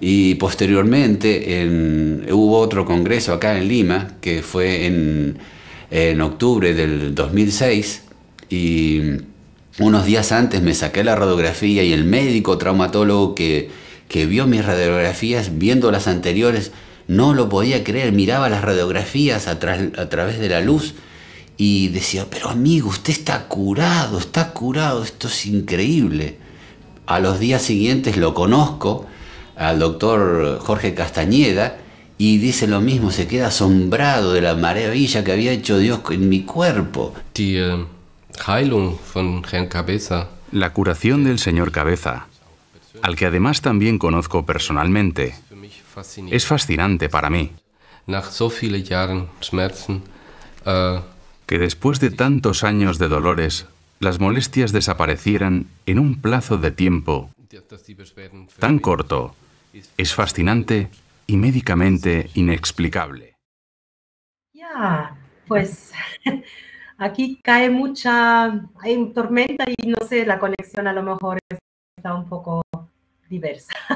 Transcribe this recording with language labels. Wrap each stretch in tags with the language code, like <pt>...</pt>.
<es>Y posteriormente hubo otro congreso acá en Lima, que fue en octubre del 2006, y unos días antes me saqué la radiografía y el médico traumatólogo que vio mis radiografías, viendo las anteriores, no lo podía creer, miraba las radiografías a través de la luz y decía, pero amigo, usted está curado, esto es increíble. A los días siguientes lo conozco al doctor Jorge Castañeda y dice lo mismo, se queda asombrado de la maravilla que había hecho Dios en mi cuerpo.</es> <de>Die Heilung von Herrn Cabeza.</de> <es>La curación del señor Cabeza, al que además también conozco personalmente, es fascinante para mí.</es> <de>Nach so vielen Jahren Schmerzen,</de> <es>que después de tantos años de dolores, las molestias desaparecieran en un plazo de tiempo tan corto, es fascinante y médicamente inexplicable. Ya, pues aquí cae mucha, hay tormenta y no sé, la conexión a lo mejor está un poco diversa.</es>